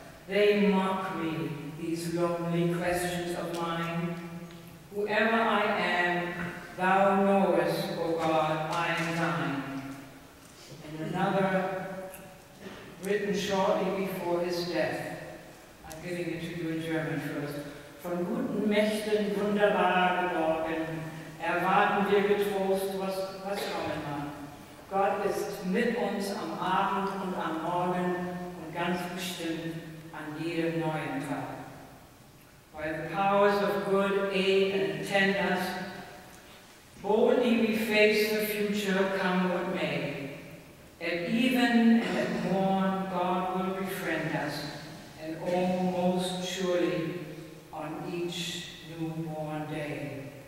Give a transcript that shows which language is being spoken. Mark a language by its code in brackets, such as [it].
[en] They mock me, these lonely questions of mine. Whoever I am, thou knowest, O God, I am thine. And another, written shortly before his death. I'm giving it to you in German first. [de] Von guten Mächten wunderbar geborgen, erwarten wir getrost, was kommen man. Gott ist mit uns am Abend und am Morgen und ganz bestimmt an jedem neuen Tag. [en] By the powers of good aid and attend us, boldly we face the future, come what may. At even and at morn, God will befriend us, and oh, most surely on each newborn day.